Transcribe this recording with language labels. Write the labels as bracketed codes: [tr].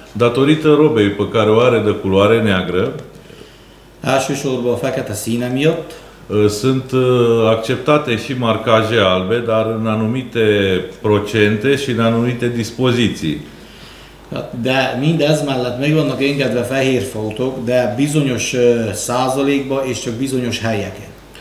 [ro] Datorită robei pe care o are de culoare neagră. [hu] Elsősorban a fekete színe miatt. [ro] Sunt acceptate și marcaje albe, dar în anumite procente și în anumite dispoziții. [hu] De mindez mellett meg vannak engedve fehérfoltok, de bizonyos százalékban és csak bizonyos helyeken.